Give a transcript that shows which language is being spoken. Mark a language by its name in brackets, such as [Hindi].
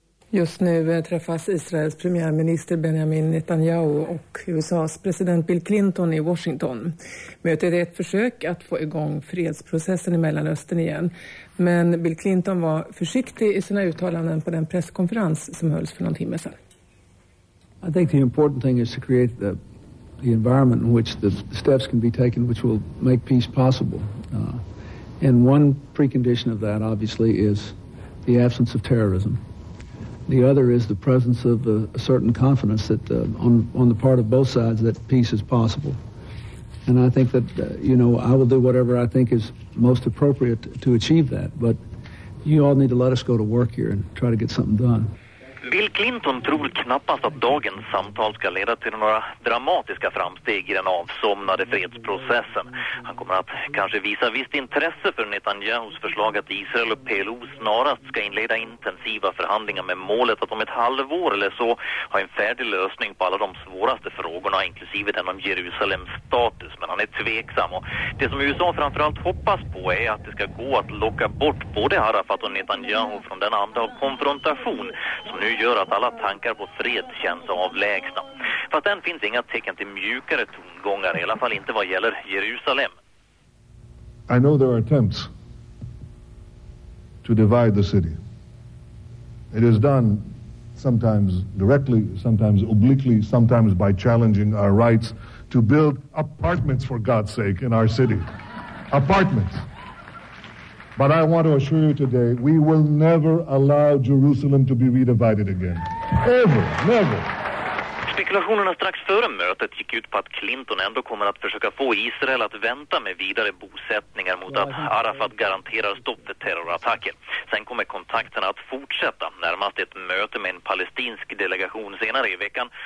[Swedish] Just nu träffas Israels premiärminister Benjamin Netanyahu och USAs president Bill Clinton i Washington. Mötet är ett försök att få igång fredsprocessen i Mellanöstern igen. Men Bill Clinton var försiktig i sina uttalanden på den presskonferens som hölls för någon timme sedan. [English] I think the important thing is to create the environment in which the steps can be taken which will make peace possible. And one precondition of that obviously is the absence of terrorism. The other is the presence of a certain confidence that on the part of both sides that peace is possible. And I think that, I will do whatever I think is most appropriate to achieve that. But you all need to let us go to work here and try to get something done. [Swedish] Bill Clinton tror knappast att dagens samtal ska leda till några dramatiska framsteg i den avsomnade fredsprocessen. Han kommer att kanske visa visst intresse för Netanyahus förslag att Israel och PLO snarast ska inleda intensiva förhandlingar med målet att om ett halvår eller så ha en färdig lösning på alla de svåraste frågorna, inklusive den om Jerusalems status. Men han är tveksam, och det som USA framförallt hoppas på är att det ska gå att locka bort både Arafat och Netanyahu från den andra av konfrontation som nu gör att alla tankar på fred känns avlägsna. Fast än finns inga tecken till mjukare tongångar, i alla fall inte vad gäller Jerusalem. [English] I know there are attempts to divide the city. It is done sometimes directly, sometimes obliquely, sometimes by challenging our rights to build apartments, for God's sake, in our city. Apartments. But I want to assure you today, we will never allow Jerusalem to be redivided again. Ever, never. [Swedish] Spekulationerna strax före mötet gick ut på att Clinton ändå kommer att försöka få Israel att vänta med vidare bosättningar mot att Arafat garanterar stopp för terrorattacker. Sen kommer kontakterna att fortsätta, närmast ett möte med en palestinsk delegation senare i veckan.